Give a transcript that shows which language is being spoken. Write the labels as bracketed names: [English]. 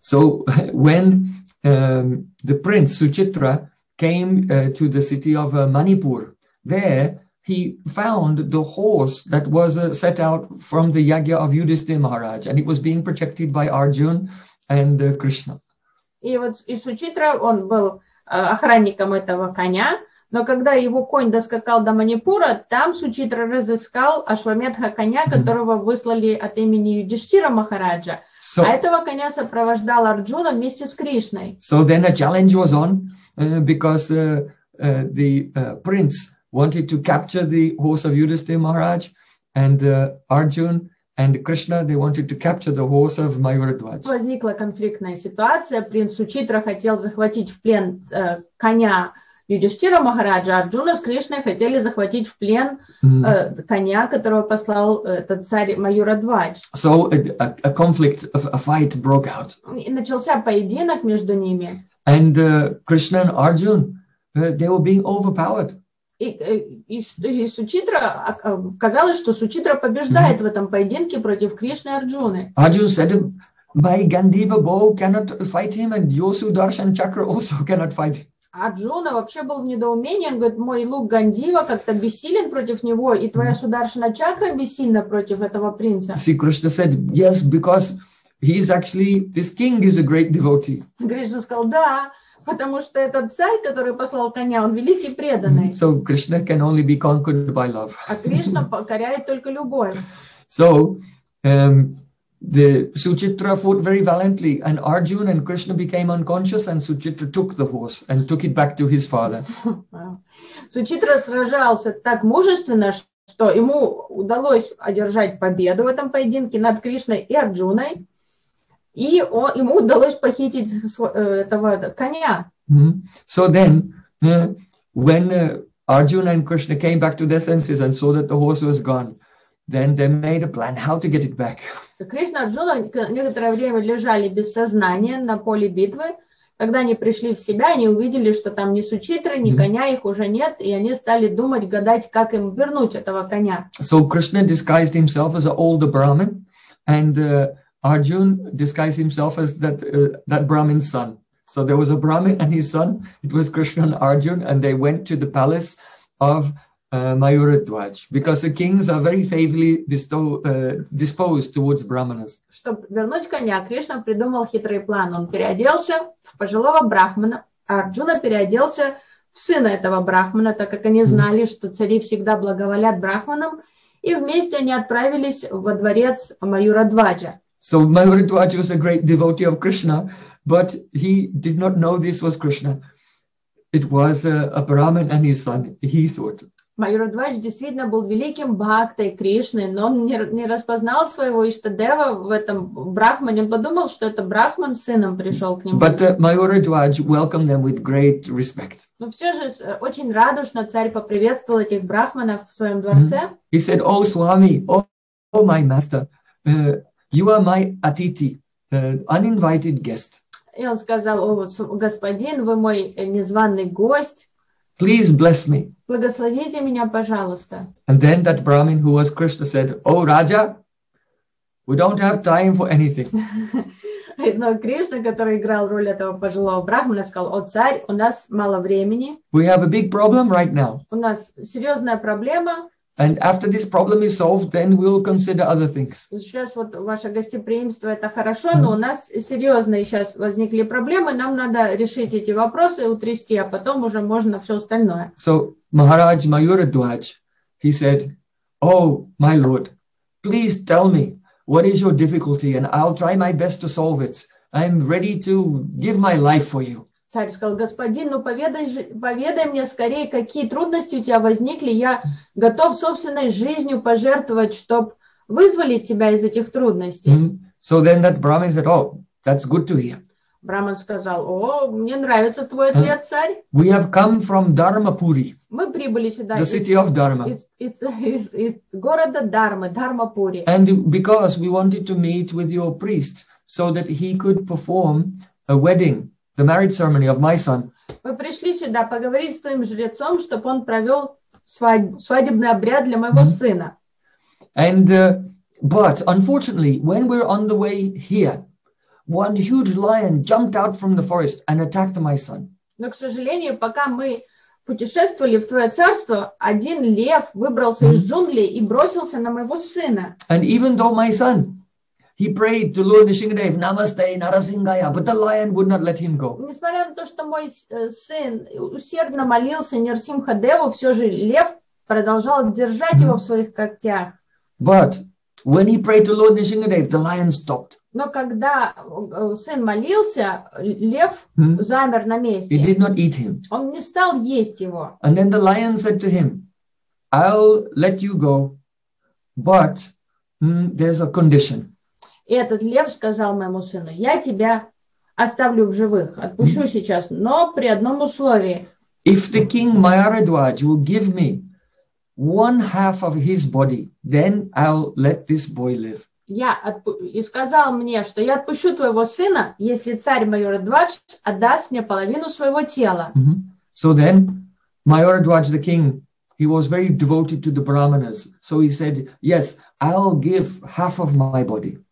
[English] So when the prince Suchitra came to the city of Manipur, there he found the horse that was set out from the yagya of Yudhisthira Maharaj, and it was being protected by Arjun and Krishna. [Russian] И вот и Сучитра, он был охранником этого коня. Но когда его конь доскакал до Манипура, там Сучитра разыскал Ашвамедха коня, которого выслали от имени Юдиштира Махараджа. So, а этого коня сопровождал Арджуна вместе с Кришной. [English] So then a challenge was on, because the prince wanted to capture the horse of Yudhisthira Maharaj, and Arjun and Krishna, they wanted to capture the horse of Mayura Dwaj. [Russian] Возникла конфликтная ситуация. Принц Сучитра хотел захватить в плен коня Юдиштира Махараджа, Арджуна с Кришной хотели захватить в плен коня, которого послал этот царь Майура Двадж. [English] So a conflict, a fight broke out. [Russian] И начался поединок между ними. [English] And Krishna and Arjun, they were being overpowered. [Russian] И Сучитра, казалось, что Сучитра побеждает в этом поединке против Кришны и Арджуны. [English] Arjun said, my Gandiva bow cannot fight him, and your Sudarshan chakra also cannot fight him. [Russian] Арджуна вообще был в недоумении, он говорит, мой лук Гандива как-то бессилен против него, и твоя Сударшина чакра бессильна против этого принца. [English] See, Krishna said, yes, because he is actually, this king is a great devotee. [Russian] Кришна сказал, да, потому что этот царь, который послал коня, он великий преданный. [English] So Krishna can only be conquered by love. [Russian] А Кришна покоряет только любовь. [English] So, the Suchitra fought very valiantly, and Arjun and Krishna became unconscious, and Suchitra took the horse and took it back to his father. [Russian] Suchitra сражался так мужественно, что ему удалось одержать победу в этом поединке над Кришной и Арджуной, и ему удалось похитить этого коня. [English] So then, when Arjuna and Krishna came back to their senses and saw that the horse was gone, then they made a plan how to get it back. [Russian] Кришна и Арджуна некоторое время лежали без сознания на поле битвы. Когда они пришли в себя, они увидели, что там ни Сучитры, ни коня их уже нет, и они стали думать, гадать, как им вернуть этого коня. [English] So Krishna disguised himself as an older Brahmin, and Arjun disguised himself as that Brahmin's son. So there was a Brahmin and his son. It was Krishna and Arjun, and they went to the palace of Mayura Dwaj, because the kings are very favorably disposed towards brahmanas. [Russian] Чтобы вернуть коня, Кришна придумал хитрый план. Он переоделся в пожилого брахмана, а Арджуна переоделся в сына этого брахмана, так как они знали, что цари всегда благоволят брахманам, и вместе они отправились во дворец Майура Дваджа. [English] So Mahavira Dwaja was a great devotee of Krishna, but he did not know this was Krishna. It was a Brahman and his son, he thought. [Russian] Mahavira Dwaja действительно был великим бхактой Кришны, но он не распознал своего Иштадева в этом Брахмане. Он подумал, что это Брахман с сыном пришел к нему. [English] But Mahavira Dwaja welcomed them with great respect. [Russian] Но все же очень радушно царь поприветствовал этих брахманов в своем дворце. [English] He said, "Oh, Swami, oh my master, you are my atiti, uninvited guest." [Russian] И он сказал: "О, господин, вы мой незваный гость. [English] Please bless me." [Russian] Благословите меня, пожалуйста. [English] And then that Brahmin who was Krishna said, "Oh, Raja, we don't have time for anything." [Russian] Но Кришна, который играл роль этого пожилого брахмана, сказал: "О, царь, у нас мало времени." [English] We have a big problem right now. [Russian] У нас серьезная проблема. [English] And after this problem is solved, then we'll consider other things. [Russian] Сейчас вот ваше гостеприимство это хорошо, но у нас серьезные сейчас возникли проблемы, нам надо решить эти вопросы, утрясти, а потом уже можно все остальное. [English] So Maharaj Mahavira Dwaja, he said, "Oh my lord, please tell me what is your difficulty, and I'll try my best to solve it. I'm ready to give my life for you." [Russian] Царь сказал: "Господин, ну поведай мне скорее, какие трудности у тебя возникли. Я готов собственной жизнью пожертвовать, чтобы вызволить тебя из этих трудностей." [English] So then that Brahmin said, "Oh, that's good to hear." [Russian] Брахман сказал: "О, мне нравится твой ответ, царь." [English] We have come from Dharmapuri. [Russian] Мы прибыли сюда. [English] The city of Dharma. It's [Russian] города Дармы, Дармапури. [English] And because we wanted to meet with your priest so that he could perform a wedding. The marriage ceremony of my son. [Russian] Мы пришли сюда поговорить с твоим жрецом, чтобы он провел свадебный обряд для моего сына. [English] And but unfortunately, when we're on the way here, one huge lion jumped out from the forest and attacked my son. [Russian] Но, к сожалению, пока мы путешествовали в твое царство, один лев выбрался из джунглей и бросился на моего сына. [English] And even though my son, he prayed to Lord Nrisimhadev, [Sanskrit] "Namaste, Narasimhaya," [English] but the lion would not let him go. [Russian] Несмотря на то, что мой сын усердно молился Нарсимхадеву, все же лев продолжал держать его в своих когтях. [English] But when he prayed to Lord Nrisimhadev, the lion stopped. [Russian] Но когда сын молился, лев замер на месте. [English] He did not eat him. [Russian] Он не стал есть его. [English] And then the lion said to him, "I'll let you go, but there's a condition." [Russian] И этот лев сказал моему сыну: "Я тебя оставлю в живых, отпущу сейчас, но при одном условии." [English] If the king Mahavira Dwaja will give me one half of his body, then I'll let this boy live. [Russian] И сказал мне, что я отпущу твоего сына, если царь Mahavira Dwaja отдаст мне половину своего тела. [English] So then, Mahavira Dwaja, the king, he was very devoted to the brahmanas, so he said, "Yes, I'll give half of my body."